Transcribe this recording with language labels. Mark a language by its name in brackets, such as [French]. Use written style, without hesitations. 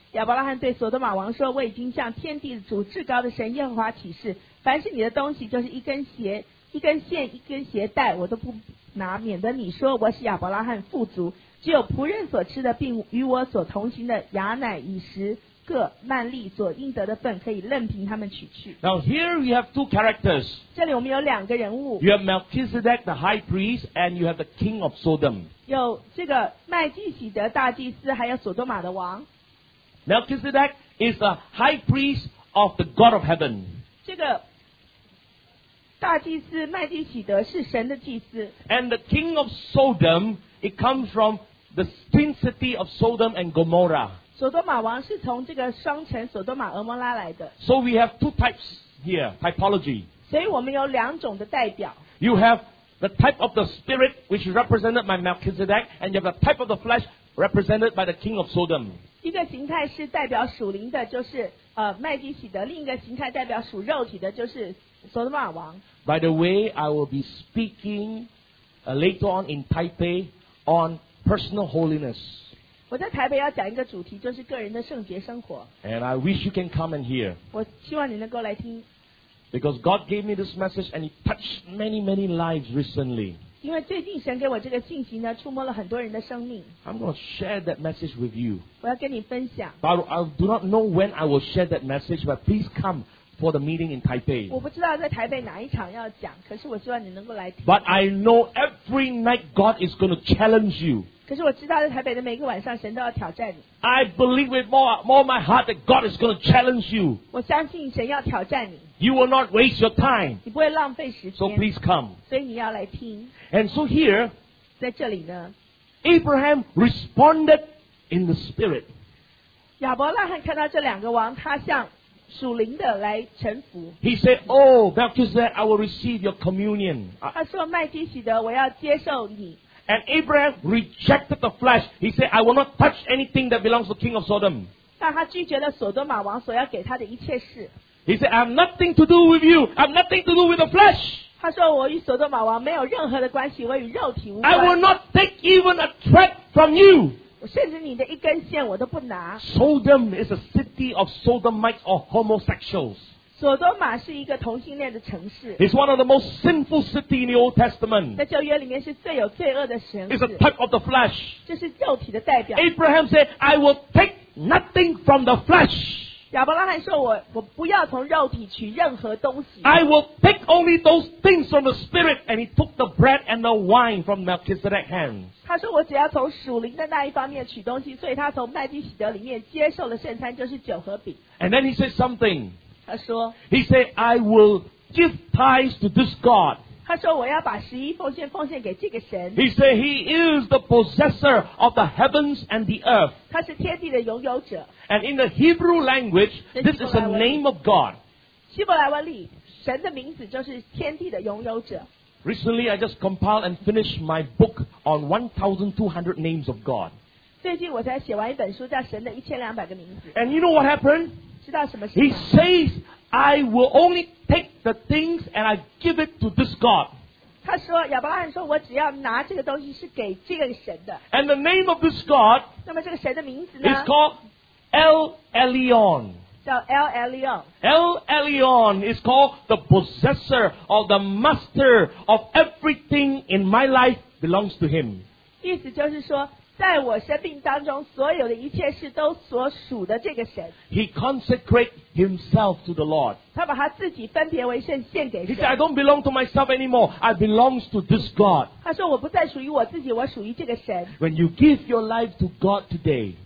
[Chinese] 亚伯拉罕对索多玛王说：我已经向天地的主至高的神耶和华起誓，凡是你的东西，就是一根鞋、一根线、一根鞋带，我都不拿，免得你说我是亚伯拉罕富足。只有仆人所吃的，并与我所同行的雅乃以实各曼利所应得的份，可以任凭他们取去。 [English] Now here we have two characters. [Chinese] 这里我们有两个人物。 [English] You have Melchizedek, the high priest, and you have the king of Sodom. [Chinese] 有这个麦基洗德大祭司，还有索多玛的王。 [English] Melchizedek is the high priest of the God of Heaven. [Chinese] 这个大祭司麦基洗德是神的祭司。 [English] And the king of Sodom, it comes from the twin city of Sodom and Gomorrah. [Chinese] 索多玛王是从这个双城索多玛俄摩拉来的。 [English] So we have two types here, typology. [Chinese] 所以我们有两种的代表。 [English] You have the type of the spirit which is represented by Melchizedek, and you have the type of the flesh represented by the king of Sodom. [Chinese] 一个形态是代表属灵的，就是麦基洗德；另一个形态代表属肉体的，就是索多玛王。 [English] By the way, I will be speaking later on in Taipei on personal holiness. [Chinese] 我在台北要讲一个主题，就是个人的圣洁生活。 [English] And I wish you can come and hear. [Chinese] 我希望你能够来听。 [English] Because God gave me this message and it touched many, many lives recently. [Chinese] 因为最近神给我这个信息呢，触摸了很多人的生命。 [English] I'm going to share that message with you. [Chinese] 我要跟你分享。 [English] But I do not know when I will share that message, but please come for the meeting in Taipei. [Chinese] 我不知道在台北哪一场要讲，可是我希望你能够来听。 [English] But I know every night God is going to challenge you. [Chinese] 可是我知道在台北的每个晚上神都要挑战你。 [English] I believe with more my heart that God is going to challenge you. [Chinese] 我相信神要挑战你。 [English] You will not waste your time. [Chinese] 你不会浪费时间。 [English] So please come. [Chinese] 所以你要来听。 [English] And so here, [Chinese] 在这里呢， [English] Abraham responded in the spirit. [Chinese] 亚伯拉罕看到这两个王，他向属灵的来臣服。 [English] He said, Oh, Melchizedek, I will receive your communion. [Chinese] 他说麦基洗德，我要接受你。 [English] And Abraham rejected the flesh. He said, I will not touch anything that belongs to the king of Sodom. [Chinese] 但他拒绝了索多玛王所要给他的一切事。 [English] He said, I have nothing to do with you. I have nothing to do with the flesh. [Chinese] 他说我与索多玛王没有任何的关系，我与肉体无关。 [English] I will not take even a thread from you. [Chinese] 甚至你的一根线我都不拿。 [English] Sodom is a city of sodomites or homosexuals. [Chinese] 索多玛是一个同性恋的城市。 [English] It's one of the most sinful city in the Old Testament. [Chinese] 在旧约里面是最有罪恶的城市。 [English] It's a type of the flesh. [Chinese] 这是肉体的代表。 [English] Abraham said, I will take nothing from the flesh. [Chinese] 亚伯拉罕说我不要从肉体取任何东西。 [English] I will take only those things from the spirit. And he took the bread and the wine from Melchizedek's hands. [Chinese] 他说我只要从属灵的那一方面取东西，所以他从麦基洗德里面接受了圣餐，就是酒和饼。 [English] And then he said something. [Chinese] 他说 [English] He said, I will give tithes to this God. [Chinese] 他说我要把十一奉献奉献给这个神。 [English] He said, He is the possessor of the heavens and the earth. [Chinese] 他是天地的拥有者。 [English] And in the Hebrew language, this is the name of God. [Chinese] 希伯来文里神的名字就是天地的拥有者。 [English] Recently, I just compiled and finished my book on 1,200 names of God. [Chinese] 最近我才写完一本书叫神的一千两百个名字。 [English] And you know what happened? [Chinese] 知道什么事？ [English] He says, I will only take the things and I give it to this God. [Chinese] 他说，亚伯拉罕说，我只要拿这个东西是给这个神的。 [English] And the name of this God, [Chinese] 那么这个神的名字呢？ [English] is called El Elyon. [Chinese] 叫 El Elyon. [English] El Elyon is called the possessor or the master of everything in my life belongs to him. [Chinese] 意思就是说，在我生命当中所有的一切事都所属的这个神。 [English] He consecrates himself to the Lord. [Chinese] 他把他自己分别为圣，献给神。 [English] He said, I don't belong to myself anymore. I belong to this God. [Chinese] 他说我不再属于我自己，我属于这个神。 [English] When you give your life to God today,